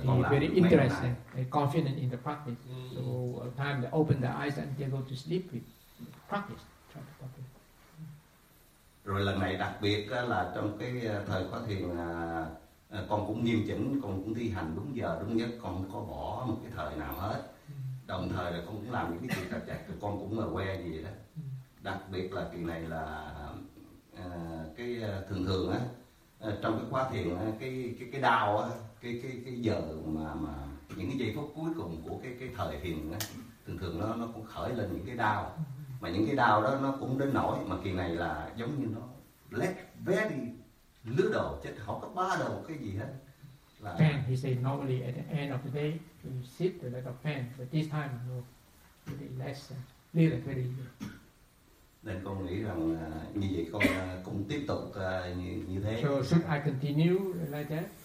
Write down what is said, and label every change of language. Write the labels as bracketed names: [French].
[English] very interested and confident in the practice. So at time they open their eyes and they go to sleep with practice. [Vietnamese] Rồi lần này đặc biệt là trong cái thời khóa thiền con cũng nghiêm chỉnh, con cũng thi hành đúng giờ đúng nhất, con không có bỏ một cái thời nào hết. Đồng thời là con cũng làm những cái chuyện tập chặt, con cũng là que gì đó. Đặc biệt là chuyện này là cái thường thường á, trong cái khóa thiền cái đau á, cái giờ mà những cái giây phút cuối cùng của cái thời thiền á, thường thường nó cũng khởi lên những cái đau. Mà những cái đau đó nó cũng đến nỗi mà kỳ này là giống như nó [English] let very little, [Vietnamese] chứ không có ba đầu cái gì hết. [English] Là pain, he said normally at the end of the day you sit a lot of pain, but this time no, very less, little, very little. [Vietnamese] Nên con nghĩ rằng như vậy con cũng tiếp tục như thế. [English] So should I continue like that?